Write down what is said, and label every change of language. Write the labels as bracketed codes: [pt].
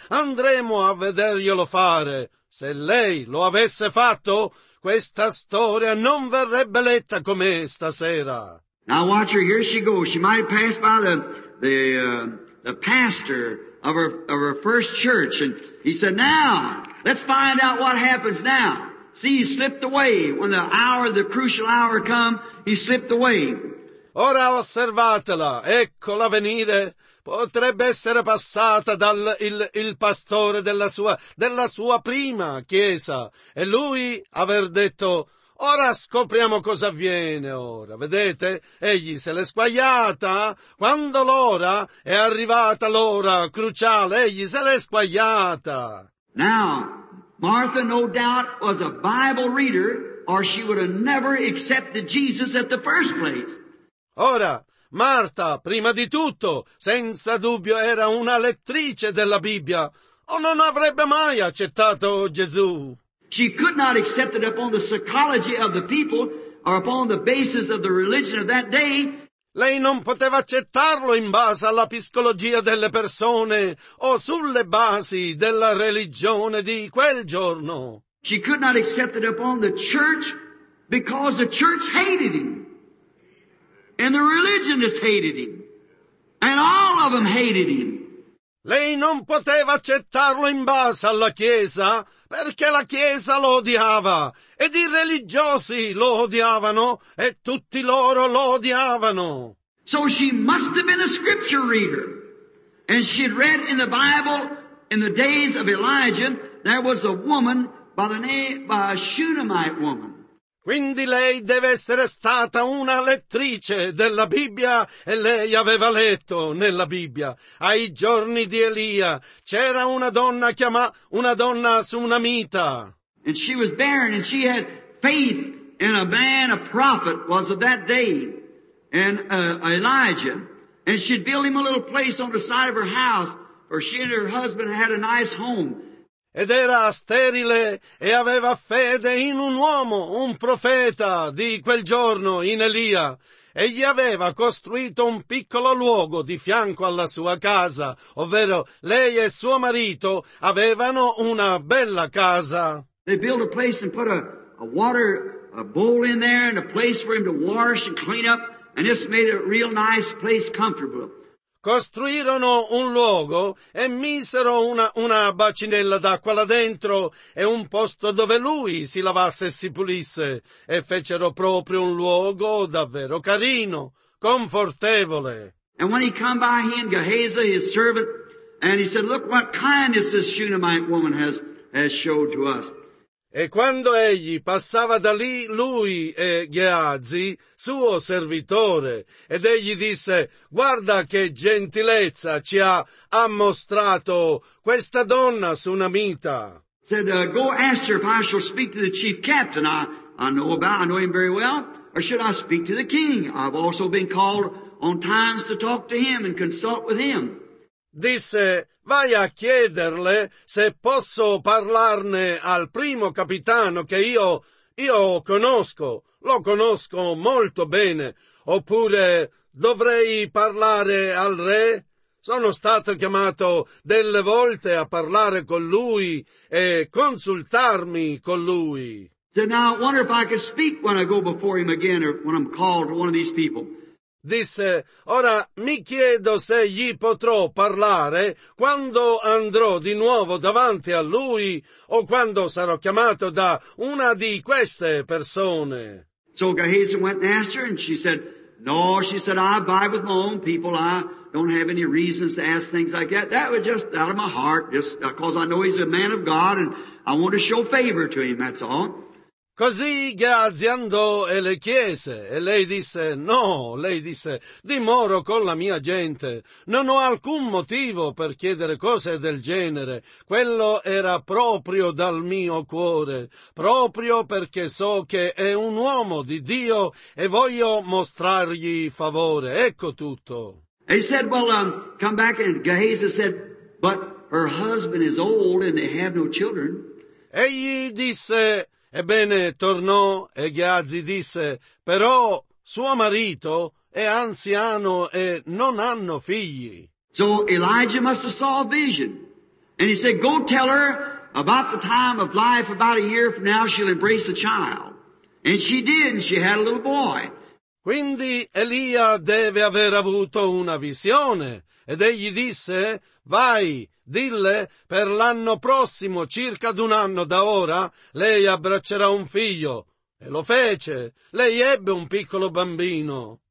[it] Andremo a vederglielo fare. Se lei lo avesse fatto, questa storia non verrebbe letta com'è stasera. [en] Now watch her, here she goes. She might pass by the pastor of her first church, and he said, now, let's find out what happens now. See, he slipped away. When the hour, the crucial hour come, he slipped away. [it] Ora osservatela, eccola venire. Potrebbe essere passata dal il pastore della sua prima chiesa, e lui aver detto, ora scopriamo cosa avviene ora, vedete? Egli se l'è squagliata, quando l'ora è arrivata, l'ora cruciale, egli se l'è squagliata. [en] Now, Martha no doubt was a Bible reader, or she would have never accepted Jesus at the first place. [it] Ora, Martha, prima di tutto, senza dubbio era una lettrice della Bibbia, o non avrebbe mai accettato Gesù. [en] She could not accept it upon the psychology of the people or upon the basis of the religion of that day. [it] Lei non poteva accettarlo in base alla psicologia delle persone o sulle basi della religione di quel giorno. [en] She could not accept it upon the church because the church hated him. And the religionists hated him. And all of them hated him. [it] Lei non poteva accettarlo in base alla Chiesa, perché la Chiesa lo odiava, ed i religiosi lo odiavano, e tutti loro lo odiavano. [en] So she must have been a scripture reader. And she had read in the Bible, in the days of Elijah, there was a woman by the name of a Shunammite woman. [it] Quindi lei deve essere stata una lettrice della Bibbia, e lei aveva letto nella Bibbia. Ai giorni di Elia c'era una donna Sunamita. [en] And she was barren, and she had faith in a man, a prophet was of that day, and Elijah. And she'd build him a little place on the side of her house, for she and her husband had a nice home. [it] Ed era sterile e aveva fede in un uomo, un profeta di quel giorno, in Elia. E gli aveva costruito un piccolo luogo di fianco alla sua casa, ovvero lei e suo marito avevano una bella casa. [en] They built a place and put a water bowl in there, and a place for him to wash and clean up, and this made a real nice place, comfortable. [it] Costruirono un luogo e misero una bacinella d'acqua là dentro e un posto dove lui si lavasse e si pulisse, e fecero proprio un luogo davvero carino, confortevole. [en] And when he come by, he and Gehazi, his servant, and he said, look what kindness this Shunammite woman has showed to us. [it] E quando egli passava da lì, lui e Gehazi, suo servitore, ed egli disse, guarda che gentilezza ci ha ammostrato questa donna Sunamita. [en] Said, go ask her if I shall speak to the chief captain. I know him very well. Or should I speak to the king? I've also been called on times to talk to him and consult with him. [it] Disse, vai a chiederle se posso parlarne al primo capitano che io conosco, lo conosco molto bene, oppure dovrei parlare al re? Sono stato chiamato delle volte a parlare con lui e consultarmi con lui. [en] So now I wonder if I can speak when I go before him again, or when I'm called to one of these people. [it] Disse, ora mi chiedo se gli potrò parlare quando andrò di nuovo davanti a lui o quando sarò chiamato da una di queste persone. [en] So Gehazi went and asked her, and she said, no, she said, I abide with my own people. I don't have any reasons to ask things like that. That was just out of my heart, just because I know he's a man of God, and I want to show favor to him, that's all. [it] Così Gehazi andò e le chiese, e lei disse, no, lei disse, dimoro con la mia gente, non ho alcun motivo per chiedere cose del genere, quello era proprio dal mio cuore, proprio perché so che è un uomo di Dio e voglio mostrargli favore, ecco tutto. [en] He said, well, come back, and Gehazi said, but her husband is old and they have no children. [it] Egli disse, ebbene, tornò e Gehazi disse, però suo marito è anziano e non hanno figli. [en] So Elijah must have saw a vision. And he said, go tell her about the time of life, about a year from now she'll embrace a child. And she did, and she had a little boy. [it] Quindi Elia deve aver avuto una visione. Ed egli disse, vai, dille, per l'anno prossimo, circa d'un anno da ora, lei abbraccerà un figlio. E lo fece. Lei ebbe un piccolo bambino.